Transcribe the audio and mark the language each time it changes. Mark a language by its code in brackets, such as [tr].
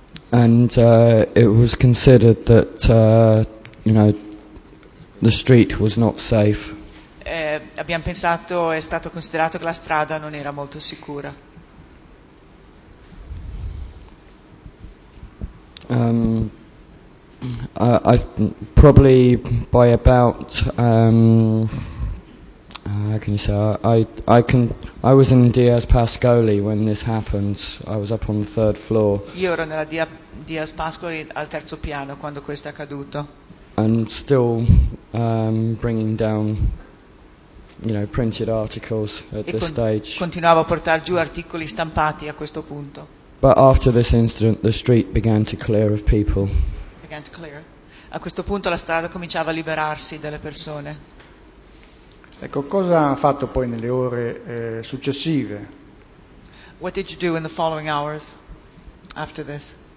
[en] And it was considered that you know, the street was not safe. [it] Abbiamo pensato, è stato considerato che la strada non era molto sicura. [en] I probably by about how can you say? I was in Diaz Pascoli when this happened. I was up on the third floor. [it] Io ero nella Diaz Pascoli al terzo piano quando questo è accaduto. [en] And still bringing down, you know, printed articles at this stage. [it] Continuavo a portare giù articoli stampati a questo punto. [en] But after this incident, the street began to clear of people. Began to clear. [it] A questo punto la strada cominciava a liberarsi delle persone. Ecco, cosa ha fatto poi nelle ore successive? [en] What did you do in the following hours after this?